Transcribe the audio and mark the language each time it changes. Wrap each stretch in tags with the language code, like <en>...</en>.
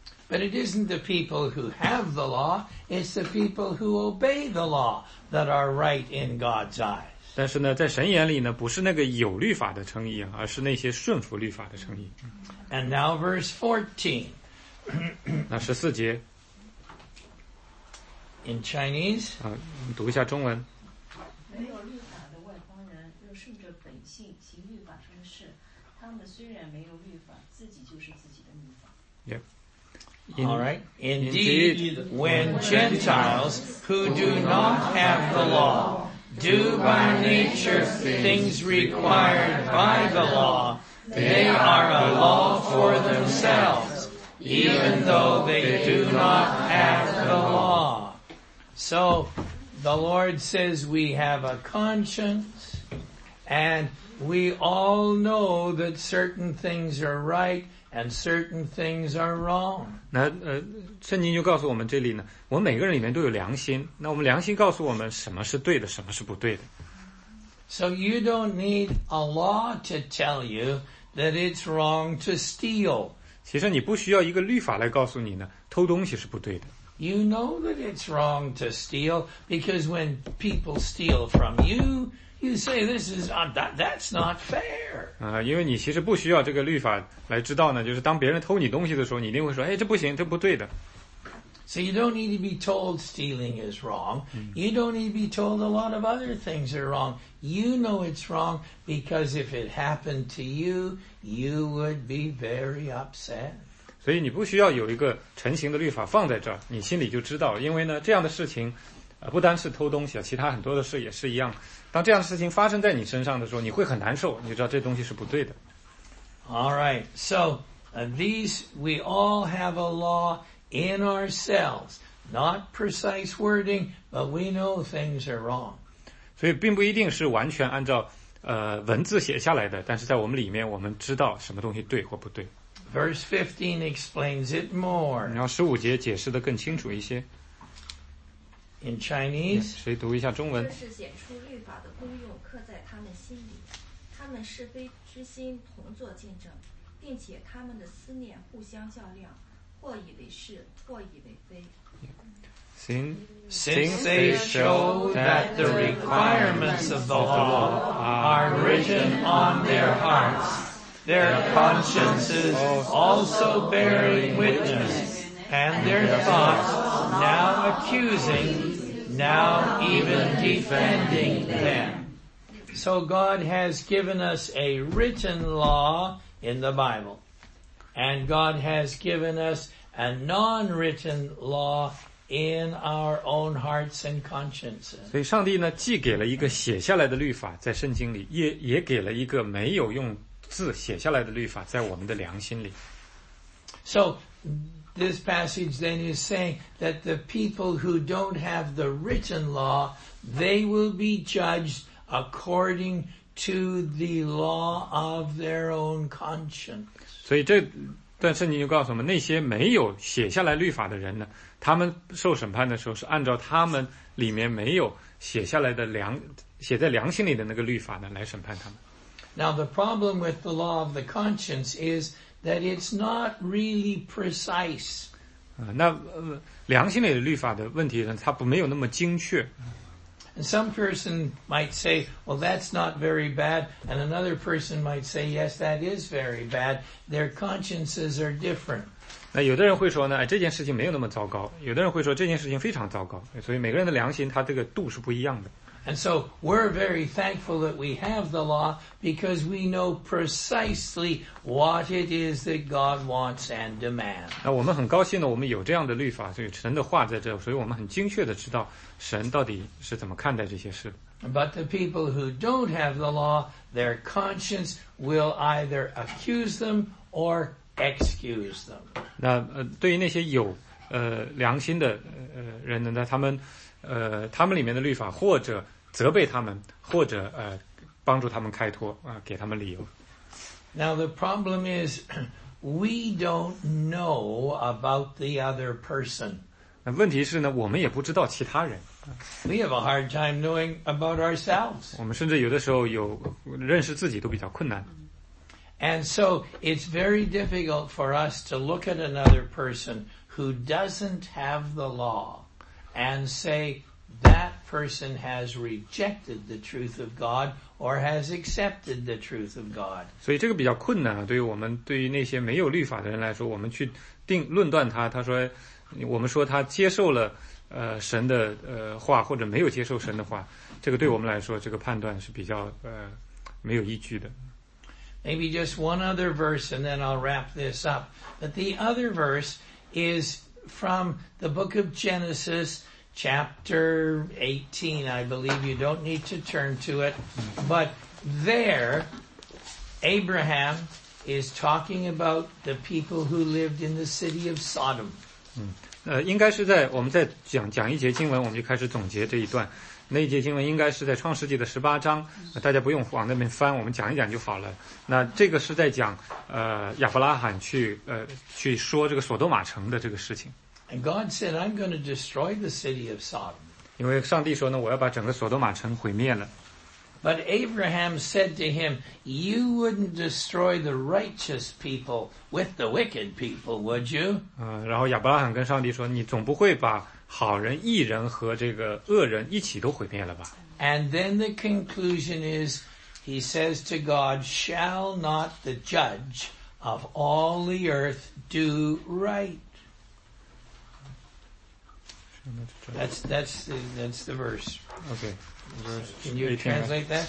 <en>But it isn't the people who have the law, it's the people who obey the law that are right in God's eyes.</en> <zh>但是呢，在神眼里呢，不是那个有律法的称义，而是那些顺服律法的称义。</zh> <en>And now verse 14.</en> <zh>那十四节。</zh> <en>In Chinese.</en> <zh>啊，读一下中文。没有律法的外邦人，又顺着本性行律法上的事，他们虽然没有律法，自己就是自己的律法。</zh> <en>Yep. Alright. Indeed, when Gentiles who do not have the law do by nature things required by the law, they are a law for themselves, even though they do not have the law. So, the Lord says we have a conscience, and we all know that certain things are right,And certain things are wrong.</en> <zh>那圣经就告诉我们这里呢，我们每个人里面都有良心。那我们良心告诉我们什么是对的，什么是不对的。</zh> <en>So you don't need a law to tell you that it's wrong to steal.</en> <zh>其实你不需要一个律法来告诉你呢，偷东西是不对的。</zh> <en>You know that it's wrong to steal because when people steal from you. You say this is, that's not fair.</en> <zh>因为你其实不需要这个律法来知道呢，就是当别人偷你东西的时候，你一定会说，哎，这不行，这不对的。</zh> <en>So you don't need to be told stealing is wrong. You don't need to be told a lot of other things are wrong. You know it's wrong because if it happened to you, you would be very upset.</en> <zh>所以你不需要有一个成型的律法放在这儿，你心里就知道，因为呢，这样的事情不单是偷东西，其他很多的事也是一样。当这样的事情发生在你身上的时候，你会很难受，你就知道这东西是不对的。</zh> <en>All right, so these, we all have a law in ourselves. Not precise wording, but we know things are wrong.</en> <zh>所以并不一定是完全按照文字写下来的，但是在我们里面我们知道什么东西对或不对。</zh> <en>Verse 15 explains it more.</en> <zh>然后十五节解释的更清楚一些。</zh> <en>In Chinese,</en> <zh>谁读一下中文？这是显出律法的功用，刻在他们心里，他们是非之心同作见证，并且他们的思念互相较量，或以为是，或以为非。</zh> <en>Since they show that the requirements of the law are written on their hearts, their consciences also bearing witness, and their thoughts now accusing. Now even defending them. So God has given us a written law in the Bible. And God has given us a non-written law in our own hearts and consciences.</en> <zh>所以上帝呢，既给了一个写下来的律法在圣经里，也给了一个没有用字写下来的律法在我们的良心里。</zh> <en>So this passage then is saying that the people who don't have the written law, they will be judged according to the law of their own conscience.</en> <zh>所以这段圣经就告诉我们，那些没有写下来律法的人呢，他们受审判的时候是按照他们里面没有写下来的良写在良心里的那个律法呢来审判他们。</zh> <en>Now the problem with the law of the conscience is that it's not really precise.</en> <zh>那良心里的律法的问题呢，它不没有那么精确。</zh> <en>And some person might say, well, that's not very bad. And another person might say, yes, that is very bad. Their consciences are different.</en> <zh>那有的人会说呢，哎，这件事情没有那么糟糕。有的人会说这件事情非常糟糕。所以每个人的良心，他这个度是不一样的。</zh> <en>And so we're very thankful that we have the law because we know precisely what it is that God wants and demands.</en> <zh>那我们很高兴呢，我们有这样的律法，所以神的话在这，所以我们很精确的知道神到底是怎么看待这些事。</zh> <en>But the people who don't have the law, their conscience will either accuse them or excuse them.</en> <zh>那对于那些有良心的人呢，他们他们里面的律法或者责备他们或者帮助他们开脱给他们理由。</zh> <en>Now the problem is we don't know about the other person.</en> <zh>那问题是呢我们也不知道其他人。</zh> <en>We have a hard time knowing about ourselves.</en> <zh>我们甚至有的时候有认识自己都比较困难。</zh> <en>And so it's very difficult for us to look at another person who doesn't have the law. And say that person has rejected the truth of God or has accepted the truth of God.</en> <zh>所以这个比较困难啊，对于我们对于那些没有律法的人来说，我们去定论断他，他说，我们说他接受了神的话或者没有接受神的话，这个对我们来说这个判断是比较没有依据的。</zh> <en>Maybe just one other verse, and then I'll wrap this up. But the other verse is. From the book of Genesis, chapter 18, I believe you don't need to turn to it. But there, Abraham is talking about the people who lived in the city of Sodom.</en> <zh>应该是在我们在讲一节经文，我们就开始总结这一段。那一节经文应该是在创世纪的18章，大家不用往那边翻，我们讲一讲就好了。那这个是在讲亚伯拉罕去说这个索多玛城的这个事情。</zh> <en>And God said, I'm going to destroy the city of Sodom.</en> <zh>因为上帝说呢，我要把整个索多玛城毁灭了。</zh> <en>But Abraham said to him, you wouldn't destroy the righteous people with the wicked people, would you?</en> <zh>然后亚伯拉罕跟上帝说，你总不会把好人、义人和这个恶人一起都毁灭了吧。</zh> <en>And then the conclusion is, he says to God, shall not the judge of all the earth do right? That's the verse. Okay. Verse Can you translate that?</en>